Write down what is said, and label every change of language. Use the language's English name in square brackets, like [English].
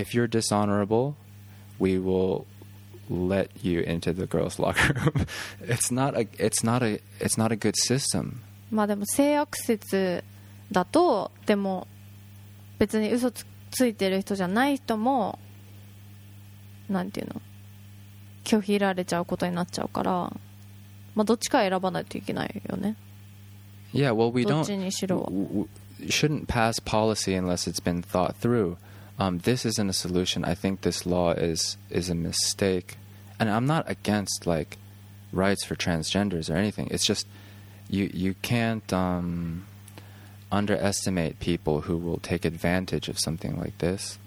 [English] if you're dishonorable, we will let you into the girls locker room. it's not a good system. [Japanese] まあでも性悪説だと、でも別に嘘ついてる人じゃない人もなんていうの拒否られちゃうことになっちゃうから、まあ、どっちか選ばないといけないよね。 [English] Yeah, well, we don't. [Japanese] どっちにしろ。 [English] Shouldn't pass policy unless it's been thought through. This isn't a solution. I think this law is a mistake. And I'm not against like rights for transgenders or anything. It's just you can't underestimate people who will take advantage of something like this.